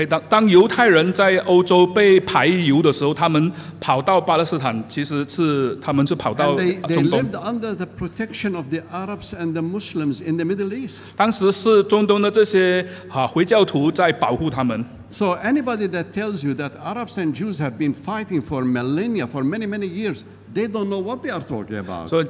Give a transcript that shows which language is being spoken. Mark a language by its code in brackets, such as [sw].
[zh] 当犹太人在欧洲被排犹的时候，他们跑到巴勒斯坦，其实是他们是跑到中东。 [en] And they lived under the protection of the Arabs and the Muslims in the Middle East. [zh] 当时是中东的这些回教徒在保护他们。 [en] So anybody that tells you that Arabs and Jews have been fighting for millennia, for many, many years, they don't know what they are talking about.